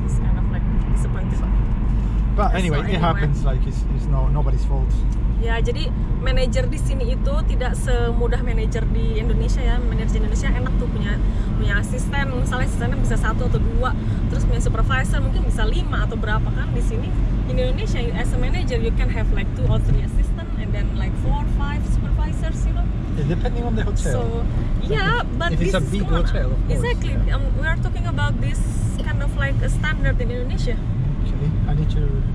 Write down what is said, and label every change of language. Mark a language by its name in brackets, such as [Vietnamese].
[English] It's kind of like disappointing. But anyway, it happens. Like it's no nobody's fault. [Indonesian] Ya, jadi manajer di sini itu tidak semudah manajer di Indonesia ya. Manajer di Indonesia enak tuh punya asisten, misalnya asistennya bisa satu atau dua, terus punya supervisor mungkin bisa lima atau berapa kan. Di sini [English] in Indonesia as a manager you can have like two or three assistant and then like four, five supervisors, you know. Yeah, depending on the hotel. So, but if it's a big hotel, of course. Exactly. Yeah. We are talking about this kind of like a standard in Indonesia. Okay, I need to.